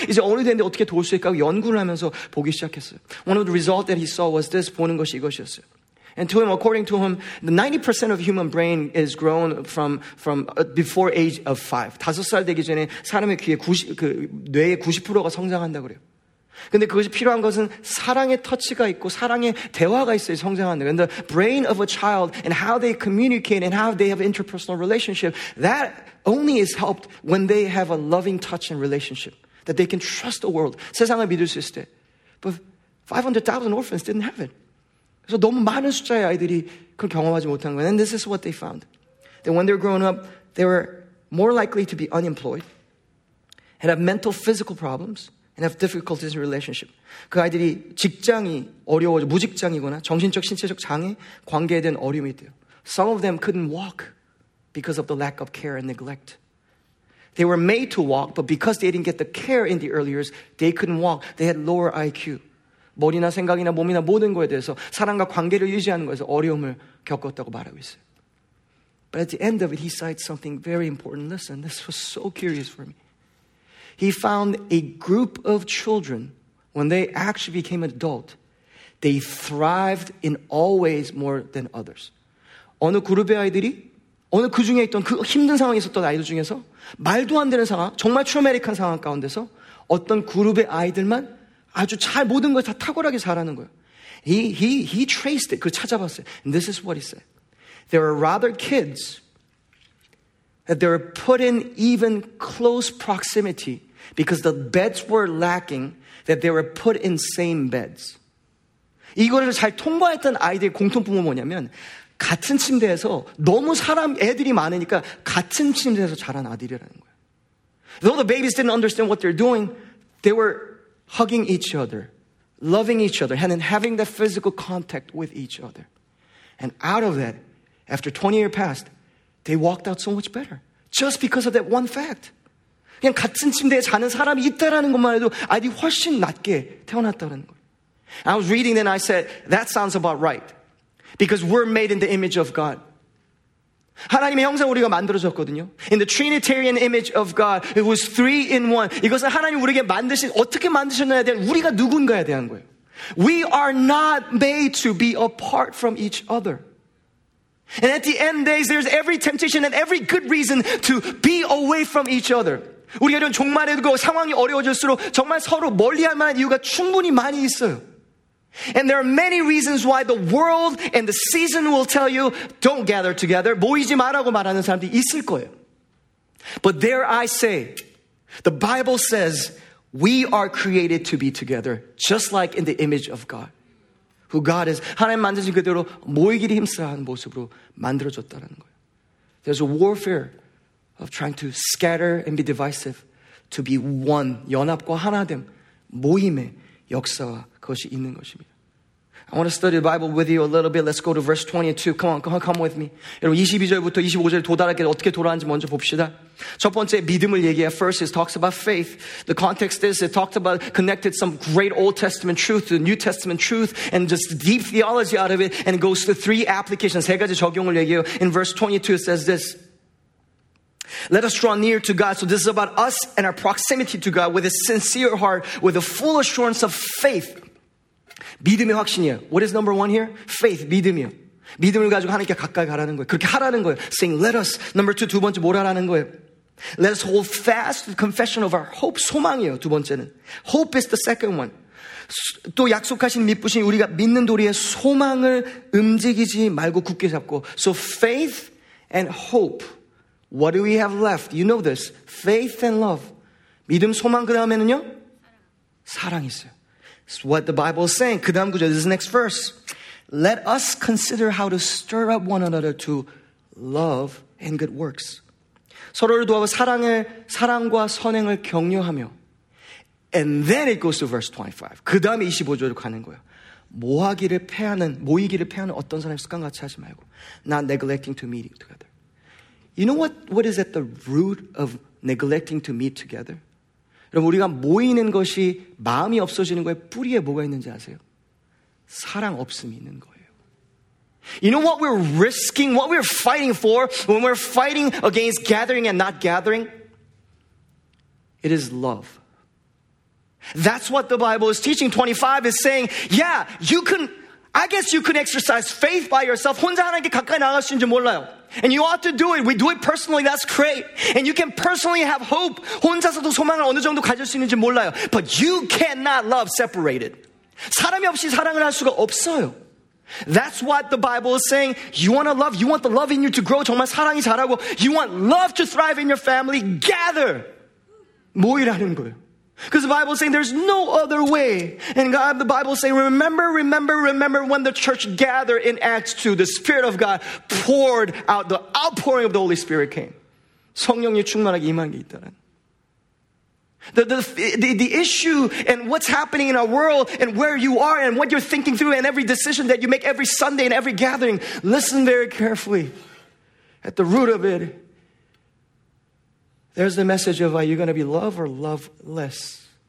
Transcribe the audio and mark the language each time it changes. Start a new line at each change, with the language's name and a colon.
Korean: 이제 어른인데 어떻게 도울 수 있을까 연구를 하면서 보기 시작했어요.
English: One of the results that he saw was this
Korean: 보는 것이 이것이었어요.
English: And to him, according to him, the 90% of human brain is grown from before age of 5.
Korean: 다섯 살 되기 전에 사람의 귀에 90, 그 뇌의 90%가 성장한다 그래요. 근데 그것이 필요한 것은 사랑의 터치가 있고 사랑의 대화가 있어야 성장한다.
English: And the brain of a child and how they communicate and how they have interpersonal relationship, that only is helped when they have a loving touch and relationship. That they can trust the world.
Korean: 세상을 믿을 수 있을 때.
English: But 500,000 orphans didn't have it.
Korean: 그래서 너무 많은 숫자의 아이들이 그걸 경험하지 못한 거예요.
English: And this is what they found. That when they were growing up, they were more likely to be unemployed and have mental, physical problems and have difficulties in relationship.
Korean: 그 아이들이 직장이 어려워져, 무직장이거나 정신적, 신체적 장애, 관계에 대한 어려움이 있대요.
English: Some of them couldn't walk because of the lack of care and neglect. They were made to walk, but because they didn't get the care in the early years, they couldn't walk. They had lower IQ.
Korean: 머리나 생각이나 몸이나 모든 거에 대해서 사랑과 관계를 유지하는 거에서 어려움을 겪었다고 말하고 있어요.
English: But at the end of it, he cites something very important. Listen, this was so curious for me. He found a group of children, when they actually became an adult, they thrived in all ways more than others.
Korean: 어느 그룹의 아이들이, 어느 그 중에 있던 그 힘든 상황에 있었던 아이들 중에서 말도 안 되는 상황, 정말 트라우마틱한 상황 가운데서 어떤 그룹의 아이들만 아주 잘 모든 걸 다 탁월하게 잘하는 거예요.
English: He traced it.
Korean: 그걸 찾아봤어요.
English: And this is what he said. There are rather kids that they were put in even close proximity because the beds were lacking that they were put in same beds.
Korean: 이거를 잘 통과했던 아이들의 공통점은 뭐냐면 같은 침대에서 너무 사람 애들이 많으니까 같은 침대에서 자란 아들이라는 거예요.
English: Though the babies didn't understand what they're doing, they were hugging each other, loving each other, and then having that physical contact with each other. And out of that, after 20 years passed, they walked out so much better. Just because of that one fact.
Korean: 그냥 같은 침대에 자는 사람이 있다라는 것만 해도 아이들이 훨씬 낫게 태어났다는 거예요.
English: I was reading and I said, that sounds about right. Because we're made in the image of God.
Korean: 하나님의 형상 우리가 만들어졌거든요.
English: In the Trinitarian image of God, it was three in one.
Korean: 이것은 하나님 우리에게 만드신 어떻게 만드셨느냐에 대한 우리가 누군가에 대한 거예요.
English: We are not made to be apart from each other. And at the end days, there's every temptation and every good reason to be away from each other.
Korean: 우리가 좀 종말에 두고 상황이 어려워질수록 정말 서로 멀리할 만한 이유가 충분히 많이 있어요.
English: And there are many reasons why the world and the season will tell you, don't gather together.
Korean: 모이지 마라고 말하는 사람들이 있을 거예요.
English: But there I say, the Bible says, we are created to be together, just like in the image of God. Who God is.
Korean: 하나님 만드신 그대로 모이기를 힘쓰라는 모습으로 만들어졌다는 거예요.
English: There's a warfare of trying to scatter and be divisive, to be one,
Korean: 연합과 하나됨, 모임의 역사와 그것이 있는 것입니다.
English: I want to study the Bible with you a little bit. Let's go to verse 22. Come on, come with me.
Korean: 여러분, 22절부터 25절에 도달하게 어떻게 돌아왔는지 먼저 봅시다. 첫 번째, 믿음을 얘기해.
English: First, it talks about faith. The context is, it talked about, connected some great Old Testament truth to the New Testament truth, and just deep theology out of it, and it goes to three applications.
Korean: 세 가지 적용을 얘기해요.
English: In verse 22, it says this. Let us draw near to God. So this is about us and our proximity to God with a sincere heart, with a full assurance of faith.
Korean: 믿음의 확신이에요.
English: What is number one here? Faith,
Korean: 믿음이요. 믿음을 가지고 하나님께 가까이 가라는 거예요. 그렇게 하라는 거예요.
English: Saying, let us. Number two,
Korean: 두 번째 뭐라라는 거예요?
English: Let us hold fast the confession of our hope.
Korean: 소망이에요, 두 번째는.
English: Hope is the second one.
Korean: 또 약속하신 믿으신 우리가 믿는 도리에 소망을 움직이지 말고 굳게 잡고.
English: So faith and hope. What do we have left? You know this. Faith and love.
Korean: 믿음, 소망, 그 다음에는요? 사랑이 있어요.
English: It's what the Bible is saying.
Korean: 그 다음 구절,
English: this is the next verse. Let us consider how to stir up one another to love and good works.
Korean: 서로를 도와서 사랑을, 사랑과 선행을 격려하며.
English: And then it goes to verse 25.
Korean: 그 다음에 25절로 가는 거예요. 모하기를 패하는, 모이기를 패하는 어떤 사람의 습관같이 하지 말고.
English: Not neglecting to meet together. You know what is at the root of neglecting to meet together?
Korean: 여러분, 우리가 모이는 것이 마음이 없어지는 것의 뿌리에 뭐가 있는지 아세요? 사랑 없음이 있는 거예요.
English: You know what we're risking, what we're fighting for when we're fighting against gathering and not gathering? It is love. That's what the Bible is teaching. 25 is saying, yeah, you can, I guess you can exercise faith by yourself.
Korean: 혼자 하나님께 가까이 나가시는지 몰라요.
English: And you ought to do it. We do it personally. That's great. And you can personally have hope.
Korean: 혼자서도 소망을 어느 정도 가질 수 있는지 몰라요.
English: But you cannot love separated.
Korean: 사람이 없이 사랑을 할 수가 없어요.
English: That's what the Bible is saying. You want to love? You want the love in you to grow?
Korean: 정말 사랑이 자라고?
English: You want love to thrive in your family? Gather!
Korean: 모이라는 거예요.
English: Because the Bible is saying there's no other way. And God, the Bible is saying, remember, remember, remember when the church gathered in Acts 2, the Spirit of God poured out, the outpouring of the Holy Spirit came.
Korean: 성령이 충만하게 임한 게 있다는.
English: The issue and what's happening in our world and where you are and what you're thinking through and every decision that you make every Sunday and every gathering, listen very carefully. At the root of it, there's the message of, are you going to be love or loveless?